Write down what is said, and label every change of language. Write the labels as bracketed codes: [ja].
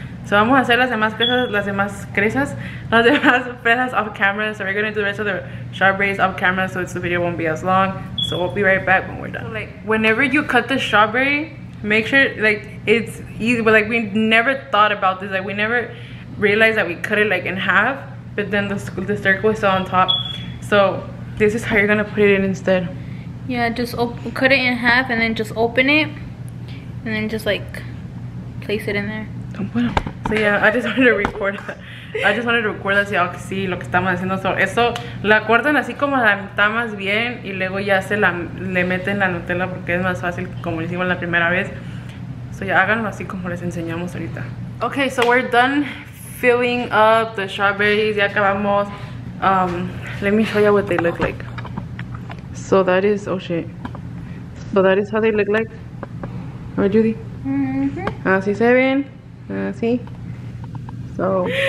[es] So vamos a hacer las demás fresas [en] off camera. So we're gonna do the rest of the strawberries off camera so the video won't be as long. So we'll be right back when we're done. So, like, whenever you cut the strawberry, make sure, like, it's easy, but, like, we never thought about this. Like, we never realized that we cut it, like, in half, but then the circle is still on top. So, this is how you're gonna put it in instead. Yeah, just cut it in half and then just open it and then just, like, place it in there. So, yeah, I just wanted to record that so y'all can see [es] lo que estamos haciendo. So, eso la cortan así como a la mitad más bien y luego ya le meten la Nutella porque es más fácil como lo hicimos la primera vez. [en] So, yeah, [es] háganlo así como les enseñamos ahorita. [en] Okay, so we're done filling up the strawberries. [es] Ya acabamos. [en] Let me show you what they look like. So, that is, oh shit. So, that is how they look like. All right, Judy. Mm-hmm. [es] Así se ven. Así. So.